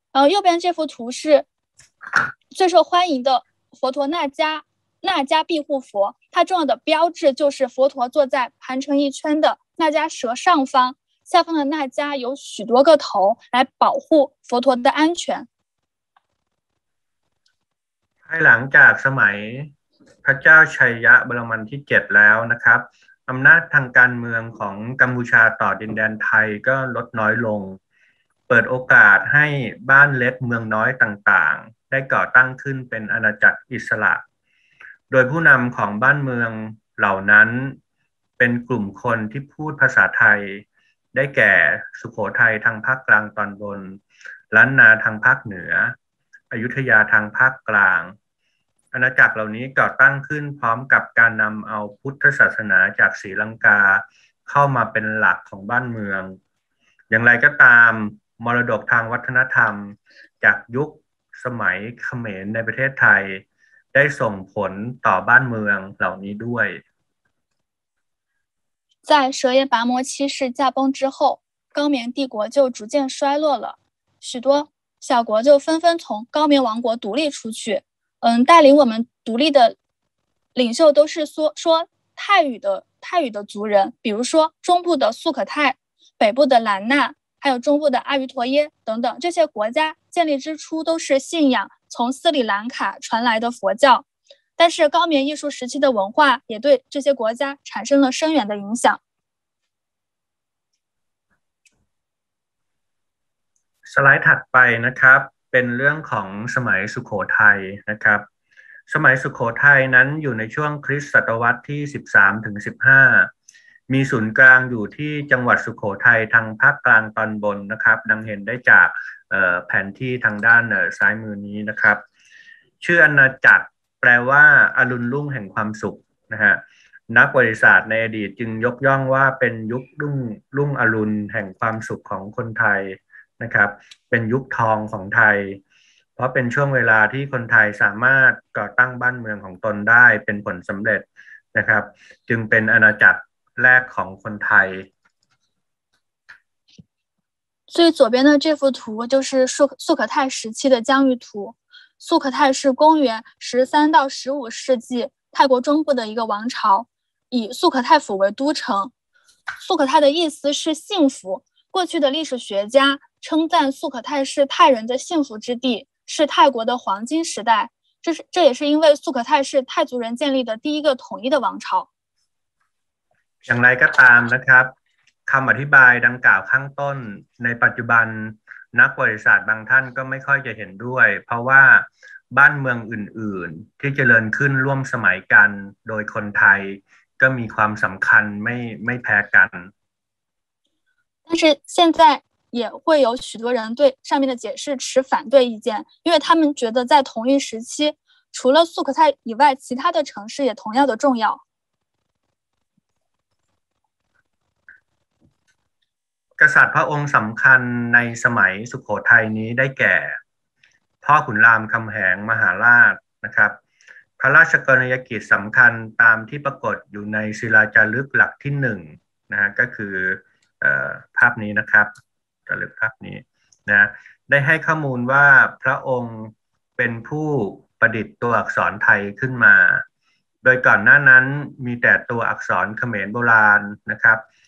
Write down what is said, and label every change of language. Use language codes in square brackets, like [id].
[zh] 右边这幅图是最受欢迎的佛陀那迦庇护佛，它重要的标志就是佛陀坐在盘成一圈的那迦蛇上方，下方的那迦有许多个头来保护佛陀的安全。 [th] ภายหลังจากสมัยพระเจ้าชัยยะบรมันที่7แล้วนะครับอำนาจทางการเมืองของกัมพูชาต่อดินแดนไทยก็ลดน้อยลงเปิดโอกาสให้บ้านเล็กเมืองน้อยต่างๆได้ก่อตั้งขึ้นเป็นอาณาจักรอิสระ โดยผู้นำของบ้านเมืองเหล่านั้นเป็นกลุ่มคนที่พูดภาษาไทยได้แก่สุโขทัยทางภาคกลางตอนบนล้านนาทางภาคเหนืออยุธยาทางภาคกลาง อาณาจักรเหล่านี้ก่อตั้งขึ้นพร้อมกับการนำเอาพุทธศาสนาจากศรีลังกาเข้ามาเป็นหลักของบ้านเมืองอย่างไรก็ตามมรดกทางวัฒนธรรมจากยุคสมัยเขมรในประเทศไทยได้ส่งผลต่อบ้านเมืองเหล่านี้ด้วย [zh] 在蛇岩拔摩七世驾崩之后，高棉帝国就逐渐衰落了，许多小国就纷纷从高棉王国独立出去。带领我们独立的领袖都是说泰语的族人，比如说中部的素可泰、北部的兰纳，还有中部的阿瑜陀耶等等，这些国家建立之初都是信仰从斯里兰卡传来的佛教，但是高棉艺术时期的文化也对这些国家产生了深远的影响。 [th] สไลด์ถัดไปนะครับเป็นเรื่องของสมัยสุโขทัยนะครับสมัยสุโขทัยนั้นอยู่ในช่วงคริสต์ศตวรรษที่13ถึง15มีศูนย์กลางอยู่ที่จังหวัดสุโขทัยทางภาคกลางตอนบนนะครับดังเห็นได้จากแผนที่ทางด้านซ้ายมือนี้นะครับ ชื่ออาณาจักรแปลว่าอรุณรุ่งแห่งความสุขนะฮะนักประวัติศาสตร์ในอดีตจึงยกย่องว่าเป็นยุครุ่งอรุณแห่งความสุขของคนไทยนะครับเป็นยุคทองของไทยเพราะเป็นช่วงเวลาที่คนไทยสามารถก่อตั้งบ้านเมืองของตนได้เป็นผลสำเร็จนะครับจึงเป็นอาณาจักรแรกของคนไทย [zh] 最左边的这幅图就是素可泰时期的疆域图。素可泰是公元13到15世纪泰国中部的一个王朝，以素可泰府为都城。素可泰的意思是幸福，过去的历史学家称赞素可泰是泰人的幸福之地，是泰国的黄金时代。这也是因为素可泰是泰族人建立的第一个统一的王朝。 [th] อย่างไรก็ตามนะครับคำอธิบายดังกล่าวข้างต้นในปัจจุบันนักประวัติศาสตร์บางท่านก็ไม่ค่อยจะเห็นด้วยเพราะว่าบ้านเมืองอื่นๆที่เจริญขึ้นร่วมสมัยกันโดยคนไทยก็มีความสำคัญไม่แพ้กัน [zh] 但是现在也会有许多人对上面的解释持反对意见，因为他们觉得在同一时期，除了素可泰以外，其他的城市也同样的重要。 [th] กษัตริย์พระองค์สำคัญในสมัยสุโขทัยนี้ได้แก่พ่อขุนรามคำแหงมหาราชนะครับพระราชกรณียกิจสำคัญตามที่ปรากฏอยู่ในศิลาจารึกหลักที่1นะก็คือภาพนี้นะครับจารึกภาพนี้นะได้ให้ข้อมูลว่าพระองค์เป็นผู้ประดิษฐ์ตัวอักษรไทยขึ้นมาโดยก่อนหน้านั้นมีแต่ตัวอักษรเขมรโบราณนะครับ